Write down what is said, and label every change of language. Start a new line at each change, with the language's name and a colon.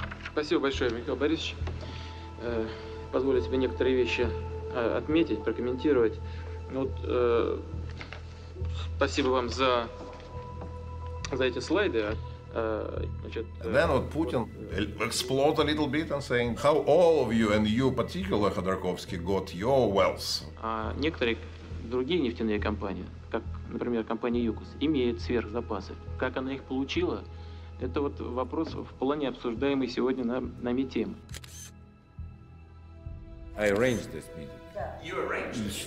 Russian: Спасибо большое, Михаил Борисович. Позволю себе некоторые вещи отметить, прокомментировать. Спасибо вам за эти слайды.
English: Then
Russian: вот
English: Путин explode a little bit and saying how all of you and you particular Khodorkovsky got your wealth.
Russian: Некоторые другие нефтяные компании, как, например, компания ЮКОС, имеют сверхзапасы. Как она их получила? Это вот вопрос в плане обсуждаемый сегодня нами темы.
English: I arranged this meeting. Yeah. You arranged it?